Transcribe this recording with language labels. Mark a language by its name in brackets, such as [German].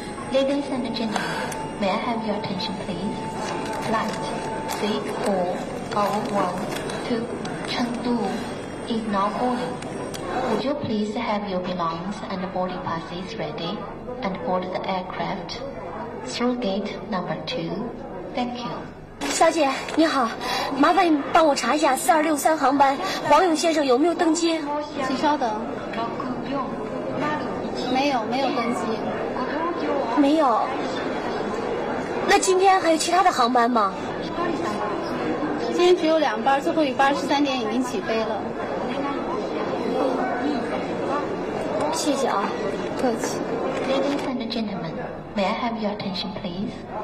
[English] Ladies and gentlemen, may I have your attention please? Flight 3401 to Chengdu is now boarding. Would you please have your belongings and boarding passes ready and board the aircraft through gate number 2? Thank you. [Chinese] 小姐你好，麻烦你帮我查一下4263航班王勇先生有没有登机。请稍等。没有登机。没有。那今天还有其他的航班吗？今天只有2班，最后一班13点已经起飞了。谢谢啊。客气。 [English] Ladies and gentlemen, may I have your attention please?